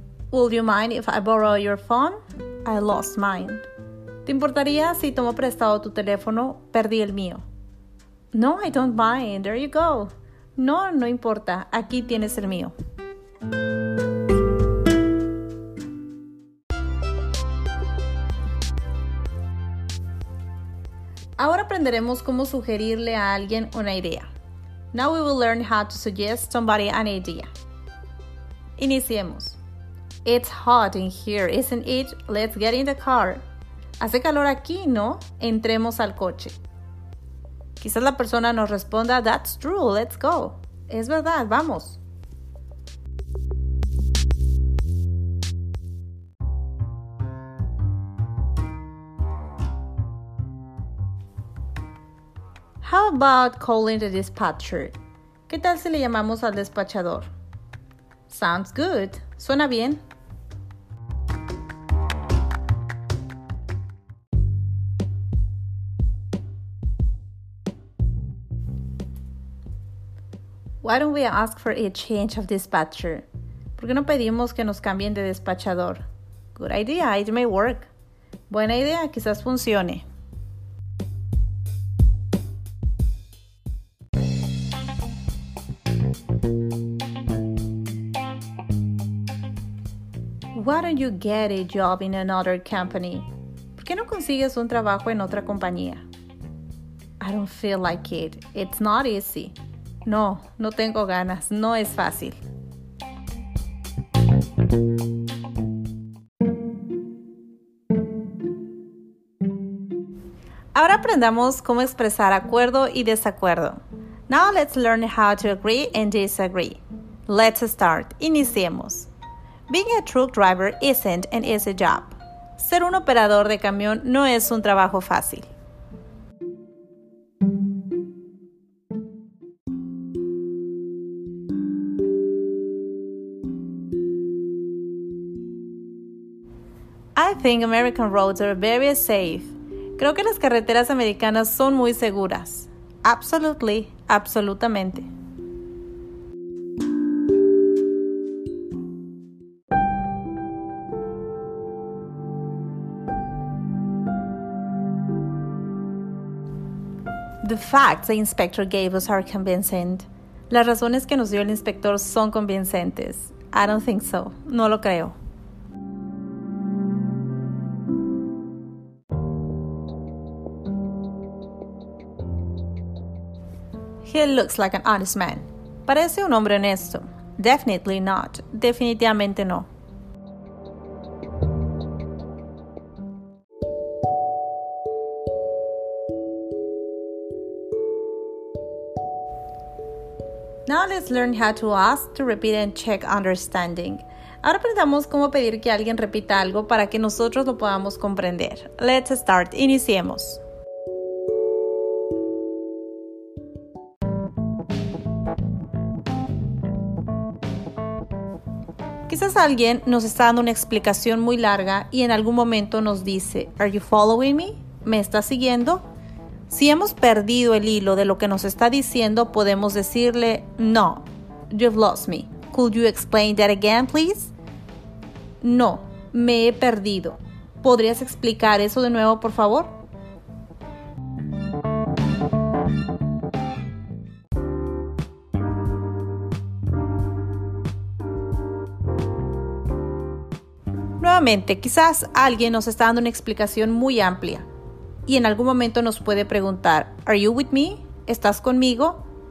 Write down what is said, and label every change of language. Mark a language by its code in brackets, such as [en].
[en] Would you mind if I borrow your phone? I lost mine. [es] ¿Te importaría si tomo prestado tu teléfono? Perdí el mío. [en] No, I don't mind. There you go. [es] No, no importa. Aquí tienes el mío. Ahora aprenderemos cómo sugerirle a alguien una idea. [en] Now we will learn how to suggest somebody an idea. [es] Iniciemos. [en] It's hot in here, isn't it? Let's get in the car. [es] Hace calor aquí, ¿no? Entremos al coche. Quizás la persona nos responda, [en] that's true, let's go. [es] Es verdad, vamos. [en] How about calling the dispatcher? [es] ¿Qué tal si le llamamos al despachador? [en] Sounds good. [es] Suena bien. [en] Why don't we ask for a change of dispatcher? [es] ¿Por qué no pedimos que nos cambien de despachador? [en] Good idea, it may work. [es] Buena idea, quizás funcione. [en] Why don't you get a job in another company? [es] ¿Por qué no consigues un trabajo en otra compañía? [en] I don't feel like it. It's not easy. [es] No, no tengo ganas. No es fácil. Ahora aprendamos cómo expresar acuerdo y desacuerdo. [en] Now let's learn how to agree and disagree. Let's start. [es] Iniciemos. [en] Being a truck driver isn't an easy job. [es] Ser un operador de camión no es un trabajo fácil. [en] I think American roads are very safe. [es] Creo que las carreteras americanas son muy seguras. [en] Absolutely, [es] absolutamente. [en] The facts the inspector gave us are convincing. [es] Las razones que nos dio el inspector son convincentes. I don't think so. No lo creo. [en] He looks like an honest man. [es] Parece un hombre honesto. [en] Definitely not. [es] Definitivamente no. [en] Now let's learn how to ask to repeat and check understanding. [es] Ahora aprendamos cómo pedir que alguien repita algo para que nosotros lo podamos comprender. [en] Let's start. [es] Iniciemos. Quizás alguien nos está dando una explicación muy larga y en algún momento nos dice, [en] Are you following me? [es] ¿Me estás siguiendo? Si hemos perdido el hilo de lo que nos está diciendo, podemos decirle, [en] No, you've lost me. Could you explain that again, please? [es] No, me he perdido. ¿Podrías explicar eso de nuevo, por favor? Nuevamente, quizás alguien nos está dando una explicación muy amplia y en algún momento nos puede preguntar, [en] Are you with me? [es] ¿Estás conmigo?